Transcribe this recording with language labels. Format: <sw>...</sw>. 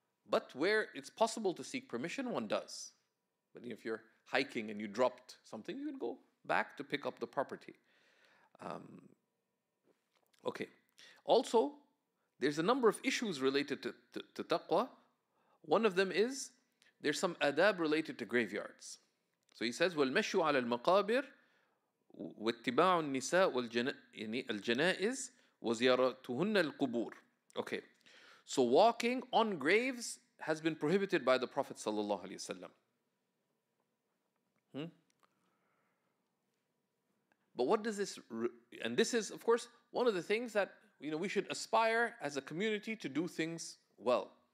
<en>But where it's possible to seek permission, one does. But if you're hiking and you dropped something, you could go back to pick up the property. Okay. Also, there's a number of issues related to taqwa. One of them is there's some adab related to graveyards. So he says,</en> <ar>وَالْمَشُّ عَلَى الْمَقَابِرِ وَاتِّبَاعُ النِّسَاءُ وَالْجَنَائِزِ وَزِيَارَتُهُنَّ الْقُبُورِ.</ar> <en>Okay, so walking on graves has been prohibited by the Prophet ﷺ. But what does this, and this is, of course, one of the things that, you know, we should aspire as a community to do things well.</en>